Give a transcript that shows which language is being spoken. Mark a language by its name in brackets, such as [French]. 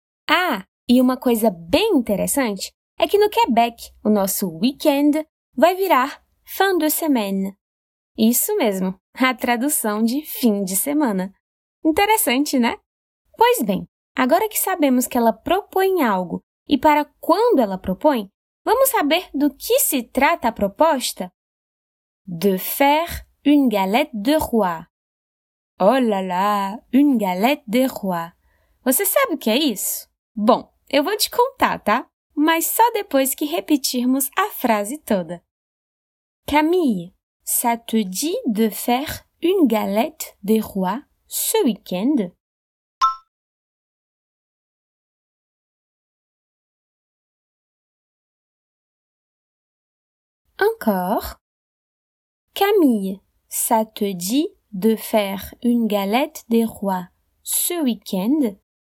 [Portuguese] Ah, e uma coisa bem interessante é que no Quebec, o nosso weekend vai virar [French] fin de semaine. [Portuguese] Isso mesmo, a tradução de fim de semana. Interessante, né? Pois bem, agora que sabemos que ela propõe algo e para quando ela propõe, vamos saber do que se trata a proposta? [French] De faire une galette de roi. Oh là là, une galette de roi. [Portuguese] Você sabe o que é isso? Bom, eu vou te contar, tá? Mas só depois que repetirmos a frase toda. [French] Camille, ça te dit de faire une galette de roi ce week-end? Encore. Camille, ça te dit de faire une galette des rois ce week-end?